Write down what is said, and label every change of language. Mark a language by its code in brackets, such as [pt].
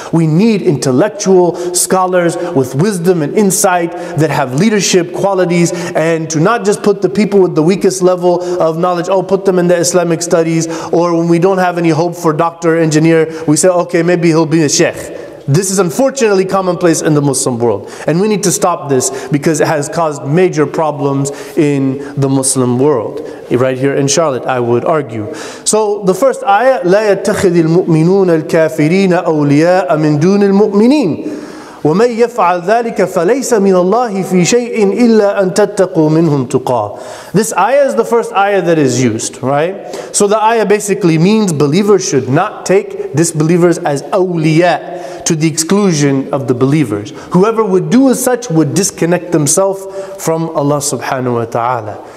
[en] We need intellectual scholars with wisdom and insight that have leadership qualities, and to not just put the people with the weakest level of knowledge, oh, put them in the Islamic studies, or when we don't have any hope for doctor, engineer, we say, okay, maybe he'll be a sheikh. This is unfortunately commonplace in the Muslim world. And we need to stop this because it has caused major problems in the Muslim world. Right here in Charlotte, I would argue. So the first ayah, [ar] لا يتخذ المؤمنون الكافرين أولياء من دون المؤمنين ومن يفعل ذلك فليس من الله في شيء إلا أن تتقوا منهم تقى. [en] This ayah is the first ayah that is used, right? So the ayah basically means believers should not take disbelievers as أولياء, to the exclusion of the believers. Whoever would do as such would disconnect themselves from Allah subhanahu wa ta'ala.